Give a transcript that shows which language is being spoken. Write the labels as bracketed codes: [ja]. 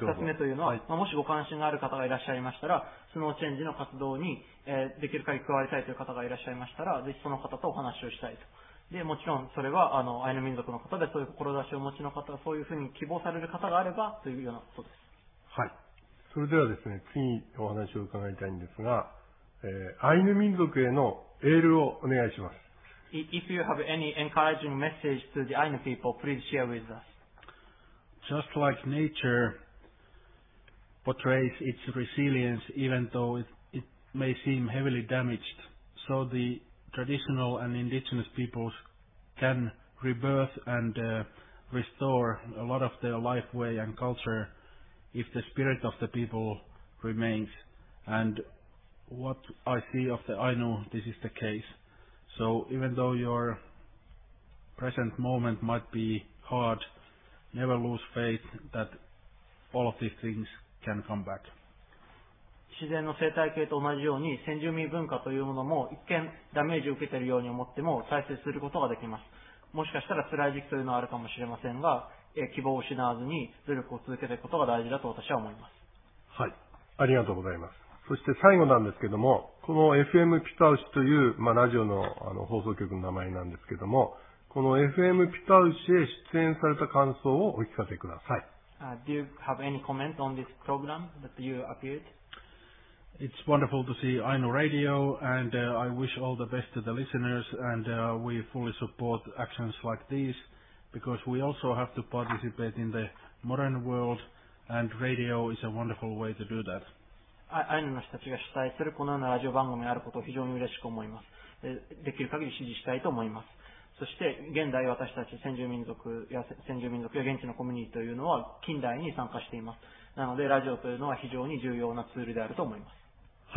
[ja] 2つ目というのは、はい、もしご関心がある方がいらっしゃいましたら、スノーチェンジの活動に、できる限り加わりたいという方がいらっしゃいましたら、ぜひその方とお話をしたいと。でもちろんそれはアイヌ民族の方で、そういう志をお持ちの方、そういうふうに希望される方があればというようなことです。はい、それではですね、次お話を伺いたいんですが、アイヌ民族へのエールをお願いします。 [en] If you have any encouraging message to the Ainu people, please share with us. Just like nature portrays its resilience even though it may seem heavily damaged, so the traditional and indigenous peoples can rebirth and restore a lot of their life way and culture if the spirit of the people remains. And what I see of the Ainu, this is the case. So even though your present moment might be hard, never lose faith that all of these things can come back. [ja] 自然の生態系と同じように先住民文化というものも一見ダメージを受けているように思っても再生することができます。もしかしたら辛い時期というのはあるかもしれませんが、希望を失わずに努力を続けていくことが大事だと私は思います。はい、ありがとうございます。そして最後なんですけども、この FM ピタウシという、まあ、ラジオ の放送局の名前なんですけども、この FM ピタウシへ出演された感想をお聞かせください。 [en] Do you have any comment on this program that you appeared? It's wonderful to see Ainu Radio, and I wish all the best to the listeners, and we fully support actions like these, because we also have to participate in the modern world, and radio is a wonderful way to do that. [ja] Ainu の人たちが主催するこのようなラジオ番組があることを非常に嬉しく思います。できる限り支持したいと思います。そして現代私たち先住民族や現地のコミュニティというのは近代に参加しています。なのでラジオというのは非常に重要なツールであると思います。